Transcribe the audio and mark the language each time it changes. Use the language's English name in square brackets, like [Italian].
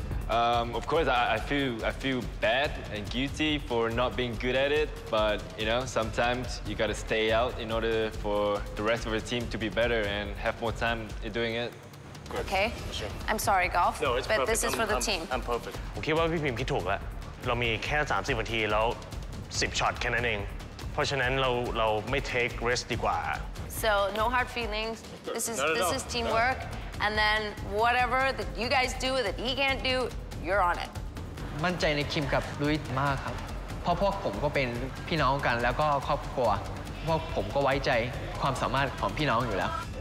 [English] Of course, I feel bad and guilty for not being good at it. But, you know, sometimes you gotta stay out in order for the rest of the team to be better and have more time in doing it. Okay. Sure. I'm sorry, Golf. No, it's but perfect. But this is for the team. I'm perfect. [Thai] ผมคิดว่าพี่พิมพ์คิดถูกแล้วเรามีแค่30นาทีแล้ว10ช็อตแค่นั้นเองเพราะฉะนั้นเราไม่เทค risk ดีกว่า [English] So no hard feelings. This is teamwork. No. And then whatever that you guys do that he can't do, you're on it. [Thai] มั่นใจในคิมกับลุยมากครับเพราะพวกผมก็เป็นพี่น้องกันแล้วก็ครอบครัวพวกผมก็ไว้ใจความสามารถของพี่น้องอยู่แล้ว